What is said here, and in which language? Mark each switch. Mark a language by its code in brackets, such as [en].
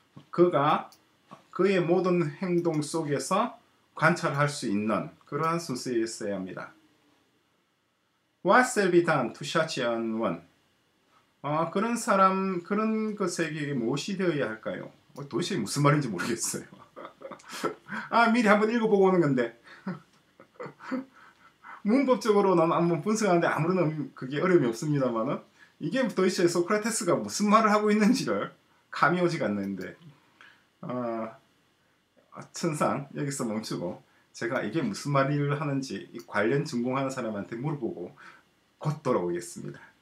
[ko] 그가 그의 모든 행동 속에서 관찰할 수 있는 그러한 순서였어야 합니다. [en] What shall be done to such an one? [ko] 그런 사람, 그런 것에게 무엇이 되어야 할까요? 도대체 무슨 말인지 모르겠어요. 아, 미리 한번 읽어보고 오는 건데. 문법적으로는 한번 분석하는데 아무런 그게 어려움이 없습니다만, 이게 도대체 소크라테스가 무슨 말을 하고 있는지를 감이 오지가 않는데, 천상 여기서 멈추고 제가 이게 무슨 말을 하는지 관련 전공하는 사람한테 물어보고 곧 돌아오겠습니다.